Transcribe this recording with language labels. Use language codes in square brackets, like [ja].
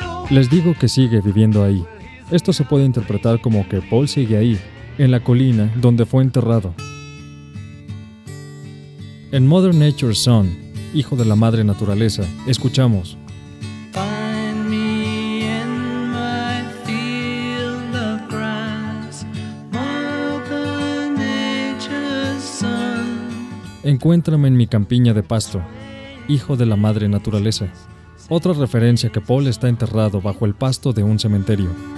[es] Les digo que sigue viviendo ahí. Esto se puede interpretar como que Paul sigue ahí, en la colina donde fue enterrado. En Mother Nature's Son, Hijo de la Madre Naturaleza, escuchamos. [en] Find me in my field of grass, Mother Nature's Son. [es] Encuéntrame en mi campiña de pasto, Hijo de la Madre Naturaleza. Otra referencia que Paul está enterrado bajo el pasto de un cementerio.